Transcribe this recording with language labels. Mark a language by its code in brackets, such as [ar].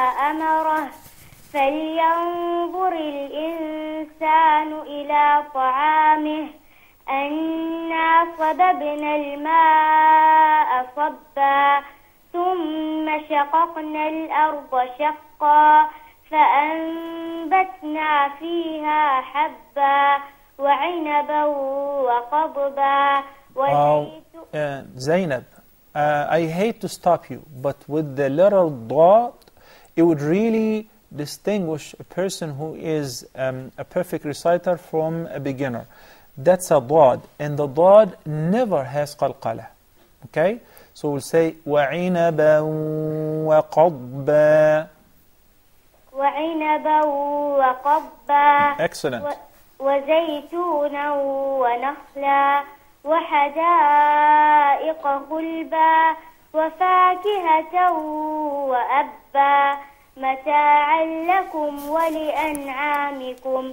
[ar] أمره فلينظر الإنسان إلى طعامه أنا صببنا الماء صبا ثم شققنا الأرض شقا فأنبتنا فيها حبا وعنبا وقضبا [en] Zainab I hate to stop you but with the letter dot it would really distinguish a person who is a perfect reciter from a beginner that's a dot and the dot never has qalqalah okay so we'll say [ar] وعنبا وقضبا وعنبا وقبا [en] Excellent. [ar] وزيتونا ونخلا وحدائق غلبا وفاكهة وأبا متاعا لكم ولأنعامكم